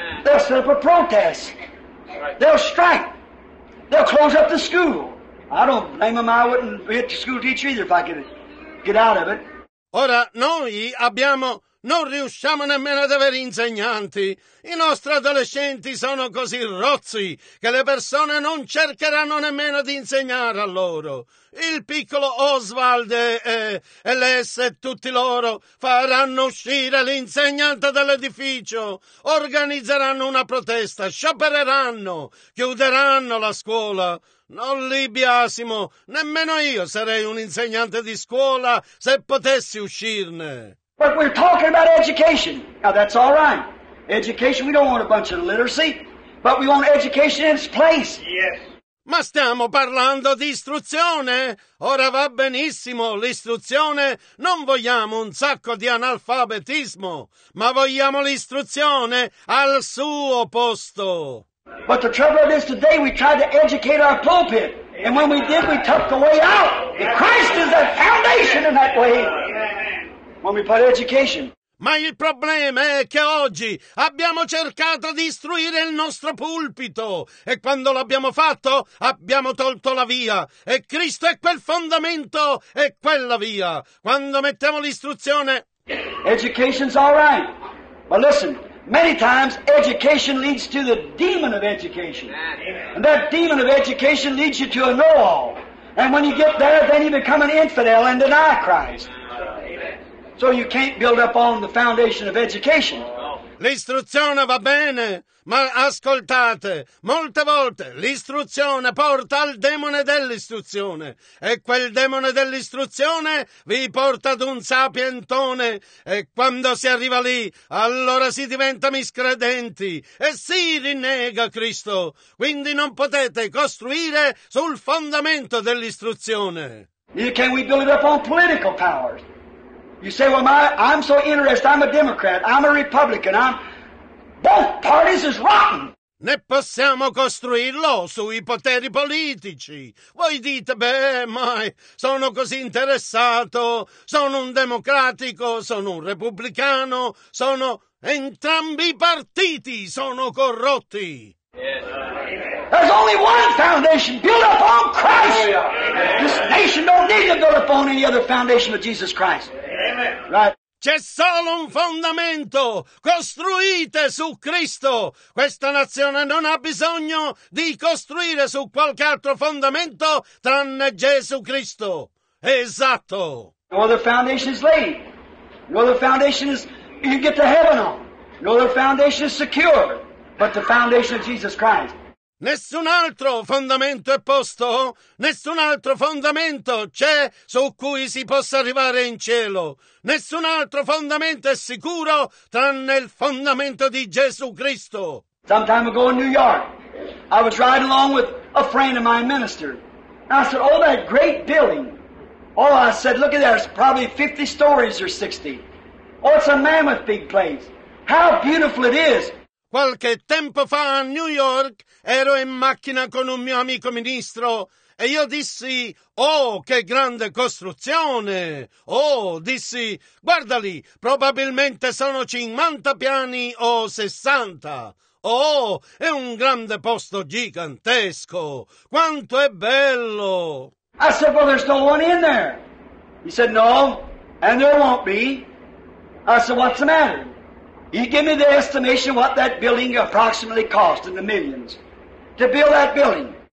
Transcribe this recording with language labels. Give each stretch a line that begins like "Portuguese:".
English: They'll set up a protest. They'll strike. They'll close up the school. I don't blame them. I wouldn't be a school teacher either if I could get out of it.
Italian: Ora, noi abbiamo... Non riusciamo nemmeno ad avere insegnanti. I nostri adolescenti sono così rozzi che le persone non cercheranno nemmeno di insegnare a loro. Il piccolo Oswald e Les e tutti loro faranno uscire l'insegnante dall'edificio, organizzeranno una protesta, sciopereranno, chiuderanno la scuola. Non li biasimo, nemmeno io sarei un insegnante di scuola se potessi uscirne.
English: But we're talking about education. Now that's all right. Education, we don't want a bunch of literacy, but we want education in its place. Yes.
Italian: Ma stiamo parlando di istruzione? Ora va benissimo, l'istruzione. Non vogliamo un sacco di analfabetismo, ma vogliamo l'istruzione al suo posto.
English: But the trouble is today we tried to educate our pulpit, and when we did, we took the way out. And Christ is the foundation in that way. When we put education.
Italian: Ma il problema è che oggi abbiamo cercato di istruire il nostro pulpito e quando l'abbiamo fatto abbiamo tolto la via e Cristo è quel fondamento e quella via. Quando mettiamo l'istruzione...
English: Education's all right. But listen, many times education leads to the demon of education. And that demon of education leads you to a know-all. And when you get there, then you become an infidel and deny Christ. So you can't build up on the foundation of education.
Italian: L'istruzione va bene, ma ascoltate, molte volte l'istruzione porta al demone dell'istruzione e quel demone dell'istruzione vi porta ad un sapientone e quando si arriva lì, allora si diventa miscredenti e si rinnega Cristo. Quindi non potete costruire sul fondamento dell'istruzione.
English: Neither can we build up on political powers. You say, well, I'm so interested, I'm a Democrat, I'm a Republican, I'm... Both parties is rotten!
Italian: Ne possiamo costruirlo sui poteri politici. Voi dite, beh, ma sono così interessato, sono un democratico, sono un repubblicano, sono... Entrambi i partiti sono corrotti!
English: There's only one foundation built upon Christ! This nation don't need to build upon any other foundation but Jesus Christ. Right.
Italian: C'è solo un fondamento, costruite su Cristo. Questa nazione non ha bisogno di costruire su qualche altro fondamento tranne Gesù Cristo. Esatto.
English: No other foundation is laid. No other foundation is you get to heaven on. No other foundation is secure but the foundation of Jesus Christ.
Italian: Nessun altro fondamento è posto, nessun altro fondamento c'è su cui si possa arrivare in cielo, nessun altro fondamento è sicuro tranne il fondamento di Gesù Cristo.
English: Some time ago in New York, I was riding along with a friend of mine, minister. And I said, oh, that great building. Oh, I said, look at that, it's probably 50 stories or 60. Oh, it's a mammoth big place. How beautiful it is.
Italian: Qualche tempo fa a New York ero in macchina con un mio amico ministro e io dissi, oh, che grande costruzione! Oh, dissi, guarda lì, probabilmente sono 50 piani o 60. Oh, è un grande posto gigantesco! Quanto è bello!
English: I said, well, there's no one in there. He said, no, and there won't be. I said, what's the matter? He gave me the estimation of what that building approximately cost in the millions to build that building.